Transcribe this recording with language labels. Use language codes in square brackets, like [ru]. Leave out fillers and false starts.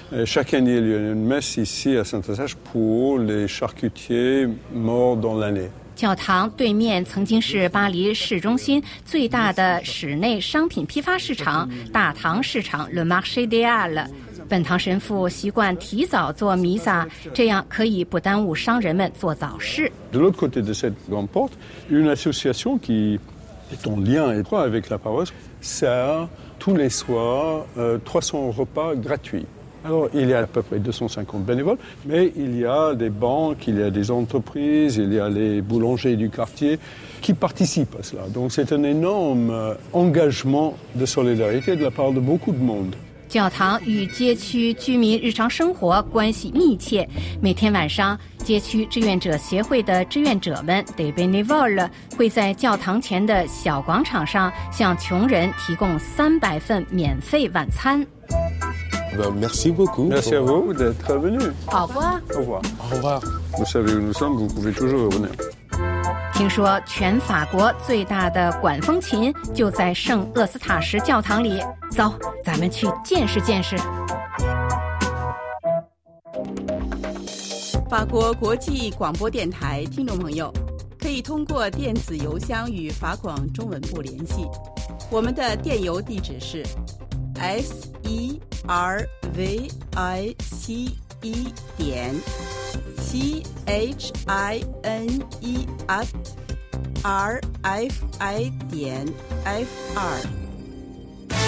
[fr] Chaque année, il y a une messe ici à Saint-Eustache pour les charcutiers morts dans l'année. [zh] 教堂对面曾经是巴黎市中心最大的室内商品批发市场大唐市场 [fr] Le Marché des Halles。 [zh] 本堂神父习惯提早做弥撒，这样可以不耽误商人们做早市。 [fr] De l'autre côté de cette grande porte, une association qui est en lien étroit avec la paroisse.Sert tous les soirs 300 repas gratuits. Alors, il y a à peu près 250 bénévoles, mais il y a des banques, il y a des entreprises, il y a les boulangers du quartier qui participent à cela. Donc, c'est un énorme engagement de solidarité de la part de beaucoup de monde. [zh] 教堂与街区居民日常生活关系密切，每天晚上街区志愿者协会的志愿者们 [fr] des bénévoles [zh] 会在教堂前的小广场上向穷人提供300份免费晚餐。 [fr] Merci beaucoup. Merci à vous d'être venu. Au revoir. Au revoir. Au revoir. Vous savez où nous sommes, vous pouvez toujours revenir. [zh] 听说全法国最大的管风琴就在圣厄斯塔什教堂里，走，咱们去见识见识。法国国际广播电台听众朋友，可以通过电子邮箱与法广中文部联系，我们的电邮地址是 service@chinerfi.fr。